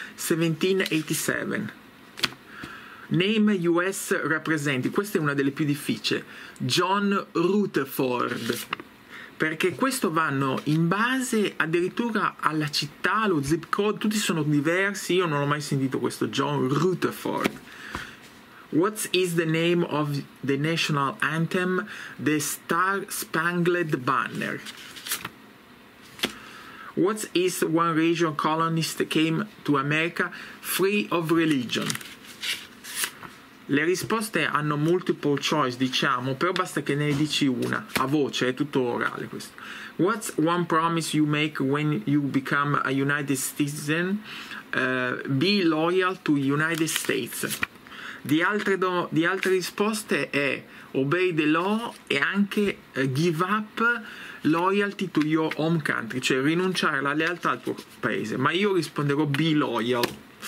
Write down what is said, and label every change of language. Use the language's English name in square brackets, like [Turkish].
[English] 1787. Name US representative. [Italian] Questa è una delle più difficili. John Rutherford. Perché questo vanno in base addirittura alla città, allo zip code, tutti sono diversi. Io non ho mai sentito questo John Rutherford. [English] What is the name of the national anthem? The Star Spangled Banner. What is one region colonist came to America? Free of religion. [Italian] Le risposte hanno multiple choice, diciamo, però basta che ne dici una, a voce, è tutto orale questo. [English] What's one promise you make when you become a United citizen? Be loyal to United States. [Italian] Di altre risposte è [English] obey the law [Italian] e anche [English] give up loyalty to your home country, [Italian] cioè rinunciare alla lealtà al tuo paese, ma io risponderò [English] be loyal.